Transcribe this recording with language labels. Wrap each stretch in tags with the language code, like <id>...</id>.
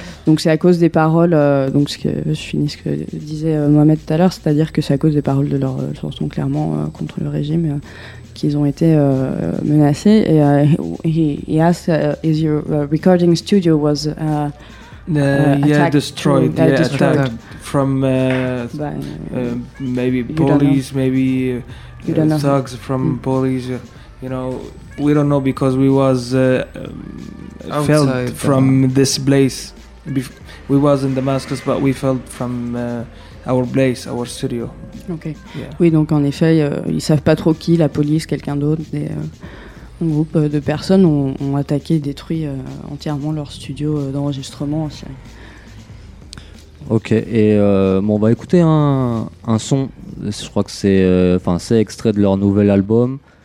<fr>Donc c'est à cause des paroles, donc je finis ce que disait Mohamed tout à l'heure, c'est-à-dire que c'est à cause des paroles de leur chanson clairement contre le régime qu'ils ont été menacés.</fr> <en>Et he asked, is your recording studio was Destroyed. Yeah, destroyed. Attacked from maybe police, maybe thugs from police. You know, we don't know because we was felt from this place. We was in Damascus, but we felt from our place, our studio. Okay. Yeah.</en> <fr>Oui, donc en effet, ils savent pas trop qui, la police, quelqu'un d'autre. Un groupe de personnes ont attaqué et détruit entièrement leur studio d'enregistrement. Ok, et on va écouter un son, je crois que c'est extrait de leur nouvel album.</fr>